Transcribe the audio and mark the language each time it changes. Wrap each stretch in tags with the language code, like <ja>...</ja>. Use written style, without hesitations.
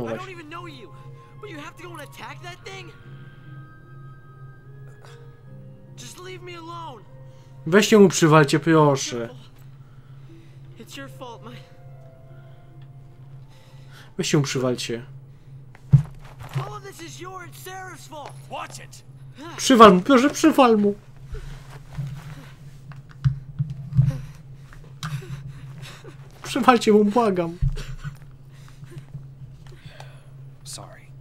<en>właśnie. I don't even know you, but you have to go and attack that thing? Just leave me alone.</en> <pl>Weź ją przywalcie, proszę.</pl> <en>It's your fault, my...</en> <pl>Weź ją przywalcie.</pl> <en>All of this is your and Sarah's fault. Watch it.</en> <pl>Przywal mu, proszę, przywal mu. Przywalcie mu, błagam.</pl> <en>Sorry.</en>